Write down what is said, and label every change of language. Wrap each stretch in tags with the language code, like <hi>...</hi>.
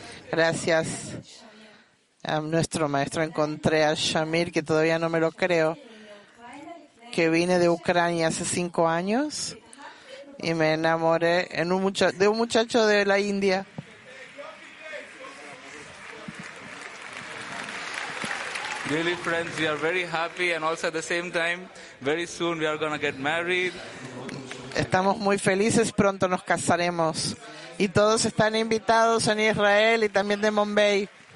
<es>Gracias a nuestro maestro encontré a Shamir, que todavía no me lo creo, que vine de Ucrania hace 5 años y me enamoré de un muchacho de la India.</es> <en>Really, friends, we are very happy, and also at the same time, very soon we are going to get married.</en> <es>Estamos muy felices, pronto nos casaremos. Y todos están invitados en Israel y también de Mumbai.</es>